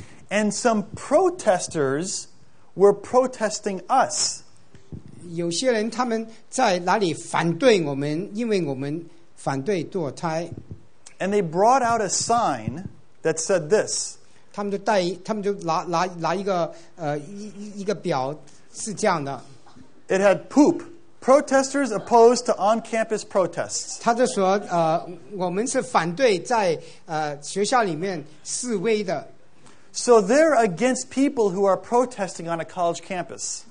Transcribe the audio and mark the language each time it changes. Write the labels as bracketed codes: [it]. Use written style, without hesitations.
[en] And some protesters were protesting us. [zh] 有些人他们在哪里反对我们，因为我们反对堕胎。 [en] And they brought out a sign that said this. [zh] 他们就拿一个一个表是这样的。 [en] It had poop. Protesters opposed to on-campus protests. [zh] 他就说，我们是反对在学校里面示威的。 [en] So they're against people who are protesting on a college campus.